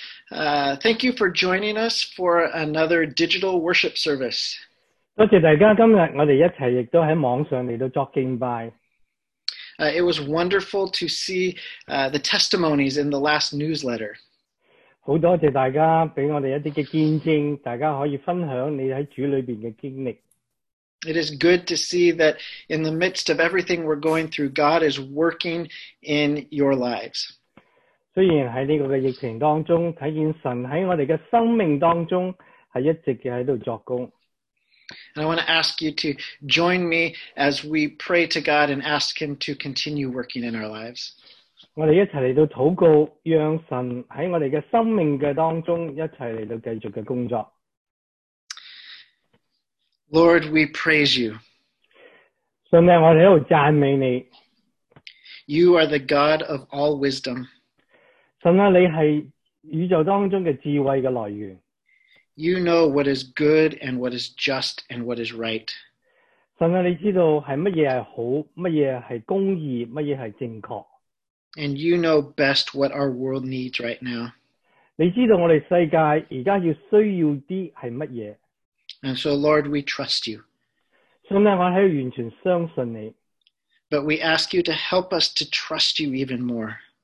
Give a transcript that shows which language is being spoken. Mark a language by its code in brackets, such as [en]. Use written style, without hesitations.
[en] Thank you for joining us for another digital worship service. [zh] 多謝大家, 今天我們一起也在網上來作敬拜。 [en] It was wonderful to see the testimonies in the last newsletter. [zh] 很多謝大家給我們一些見證, 大家可以分享你在主裡面的經歷。 [en] It is good to see that in the midst of everything we're going through, God is working in your lives. [zh] 雖然在這個疫情當中, 看見神在我們的生命當中, 是一直在作工。 [en] And I want to ask you to join me as we pray to God and ask Him to continue working in our lives. [zh] 我們一起來禱告, 讓神在我們的生命當中一起來繼續的工作。 [en] Lord, we praise you. [zh] 神啊,我們在這裡讚美你。 [en] You are the God of all wisdom. [zh] 神啊,你是宇宙当中的智慧的来源。 [en] You know what is good and what is just and what is right. [zh] 神啊,你知道是什么是好,什么是公义,什么是正确。 [en] And you know best what our world needs right now. [zh] 你知道我们世界现在需要的是什么。 [en] And so, Lord, we trust you. [zh] 神啊,我是完全相信你。 [en] But we ask you to help us to trust you even more.